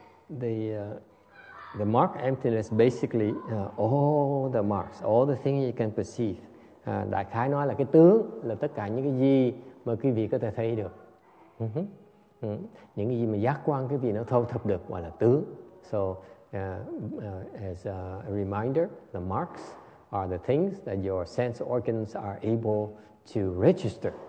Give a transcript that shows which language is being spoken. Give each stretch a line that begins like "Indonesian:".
English: The mark emptiness basically all the marks, all the things you can perceive.
Vietnamese: Đại khái nói là cái tướng là tất cả những cái gì mà quý vị có thể thấy được. Những cái gì mà giác quan quý vị nó thâu thập được gọi là tướng.
English: So as a reminder, the marks are the things that your sense organs are able to register.